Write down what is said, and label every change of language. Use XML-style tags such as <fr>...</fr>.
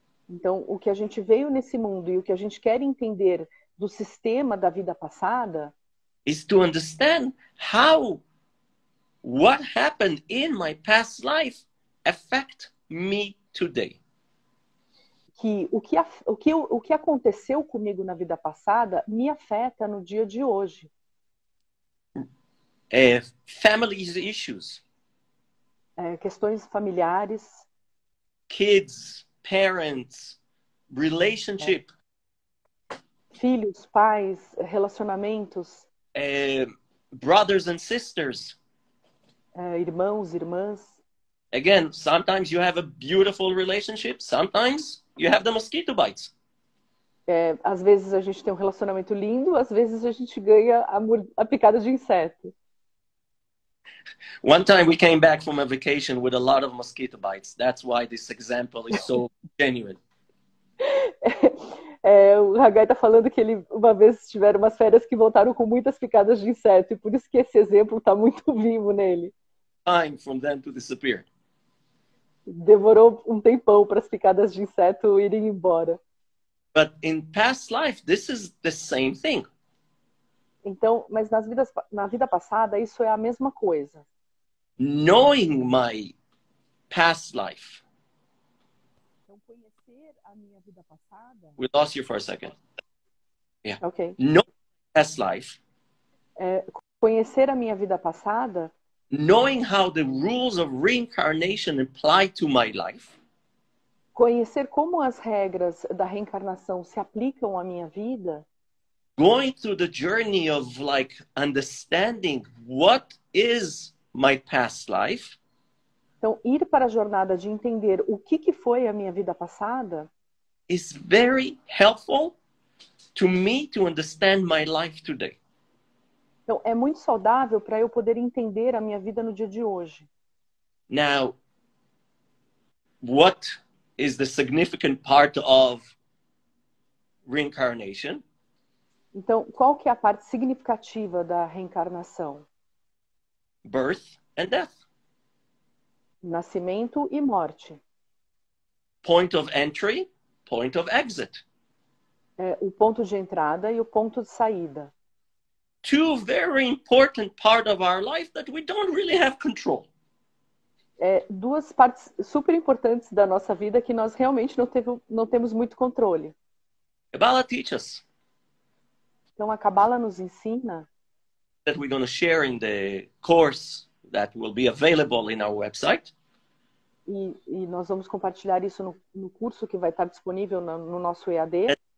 <pt>Então, o que a gente veio nesse mundo e o que a gente quer entender do sistema da vida passada</pt> <en>Is to understand how what happened in my past life affect me today.</en> <pt>que o que aconteceu comigo na vida passada me afeta no dia de hoje.</pt> <en>Family's issues.</en> <pt>Questões familiares.</pt> <en>Kids, parents, relationship.</en> <pt>Filhos, pais, relacionamentos.</pt> <en>Brothers and sisters.</en> <pt>Irmãos, irmãs.</pt> <en>Again, sometimes you have a beautiful relationship, sometimes you have the mosquito bites.</en> <pt>Às vezes a gente tem um relacionamento lindo, às vezes a gente ganha a picada de inseto.</pt> <en>One time we came back from a vacation with a lot of mosquito bites. That's why this example is so genuine.</en> <pt>O Hagai está falando que ele uma vez tiveram umas férias que voltaram com muitas picadas de inseto, e por isso que esse exemplo está muito vivo nele.</pt> <en>Time from them to disappear.</en> <pt>Demorou um tempão para as picadas de inseto irem embora.</pt> <en>But in past life, this is the same thing.</en> <pt>Então, mas na vida passada, isso é a mesma coisa.</pt> <en>Knowing my past life.</en> <pt>Então, conhecer a minha vida passada.</pt> <en>We lost you for a second. Yeah. Okay. Knowing my past life.</en> <pt>Conhecer a minha vida passada.</pt> <en>Knowing how the rules of reincarnation apply to my life.</en> <pt>Conhecer como as regras da reencarnação se aplicam à minha vida.</pt> <en>Going through the journey of like understanding what is my past life.</en> <pt>Então, ir para a jornada de entender o que foi a minha vida passada.</pt> <en>Is very helpful to me to understand my life today.</en> <pt>Então, é muito saudável para eu poder entender a minha vida no dia de hoje.</pt> <en>Now, what is the significant part of reincarnation?</en> <pt>Então, qual que é a parte significativa da reencarnação?</pt> <en>Birth and death.</en> <pt>Nascimento e morte.</pt> <en>Point of entry, point of exit.</en> <pt>O ponto de entrada e o ponto de saída.</pt> <en>Two very important parts of our life that we don't really have control.</en> <pt>Duas partes super importantes da nossa vida que nós realmente não temos muito controle.</pt> <en>Kabbalah teach us.</en> <pt>Então a Kabbalah nos ensina.</pt> <en>That we're going to share in the course that will be available in our website.</en> <pt>E nós vamos compartilhar isso no curso que vai estar disponível no nosso EAD.</pt>